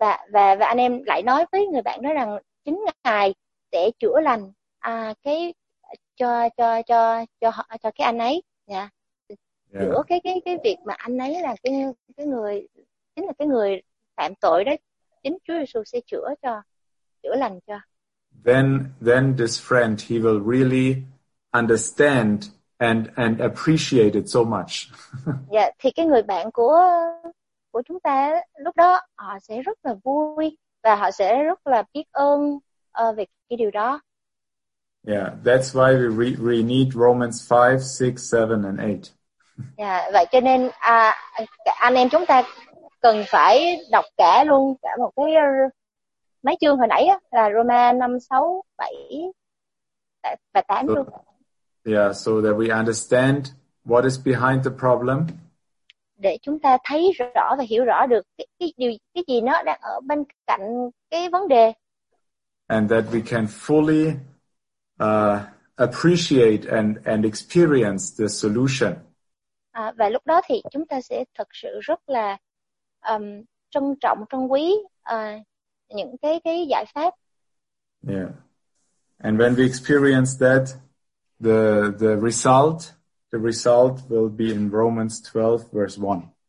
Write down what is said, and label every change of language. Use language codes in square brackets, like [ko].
[vi] Và anh em lại nói với người bạn đó rằng chính Ngài sẽ chữa lành cho cái anh ấy, chữa cái việc mà anh ấy là cái người, chính là cái người phạm tội đó, chính Chúa Giêsu sẽ chữa lành cho. [en] Then this friend, he will really understand and appreciate it so much. [vi] Thì cái người bạn của chúng ta lúc đó họ sẽ rất là vui và họ sẽ rất là biết ơn về cái điều đó. [en] Yeah, that's why we need Romans 5, 6, 7 and 8. [vi] Vậy cho nên anh em chúng ta cần phải đọc cả luôn cả một cái mấy chương hồi nãy á, là Roma 5, 6, 7 và 8 luôn. [en] Yeah, so that we understand what is behind the problem. [vi] Để chúng ta thấy rõ và hiểu rõ được cái gì nó đang ở bên cạnh cái vấn đề. [en] And that we can fully appreciate and experience the solution. [vi] Và lúc đó thì chúng ta sẽ thực sự rất là trân trọng, trân quý những cái giải pháp. [en] Yeah. And when we experience that, the result will be in Romans 12 verse 1.